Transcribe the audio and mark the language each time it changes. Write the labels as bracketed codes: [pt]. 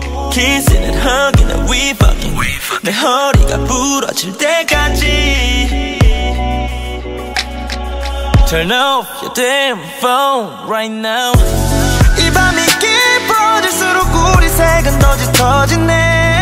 [en] Kissing and hugging and we fucking. [ko] 내 허리가 부러질 때까지. [en] Turn off your damn phone right now. [ko] 이 밤이 깊어질수록 우리 색은 더 짙어지네.